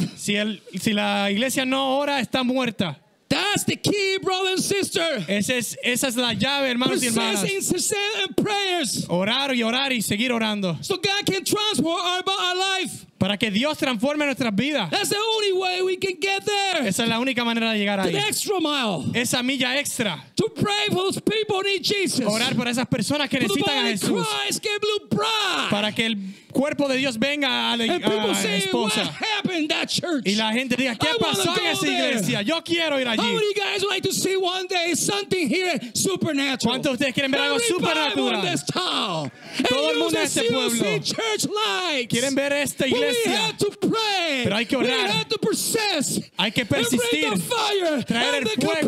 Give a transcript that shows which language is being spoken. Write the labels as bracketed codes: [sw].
[es] Si la iglesia no ora, está muerta. [en] That's the key, brother and sister. [es] Esa es la llave, hermanos y hermanas. [en] Persisting in prayers. [es] Orar y orar y seguir orando. [en] So God can transform our life. [es] Para que Dios transforme nuestras vidas. [en] That's the only way we can get there. [es] Esa es la única manera de llegar ahí. [en] The extra mile. [es] Esa milla extra. [en] To pray for those people need Jesus. [es] Orar por esas personas que necesitan a Jesús. Para que el cuerpo de Dios venga a la esposa. [en] What happened in that church? [es] Y la gente diga, ¿qué pasó en esa iglesia? Yo quiero ir allí. [en] How many guys would like to see one day something here supernatural? [es] ¿Cuántos de ustedes quieren ver algo supernatural? Todo el mundo en este pueblo. ¿Quieren ver esta iglesia? [en] We have to pray. [es] Pero hay que orar. [en] We have to persist. [es] Hay que persistir. Traer el fuego.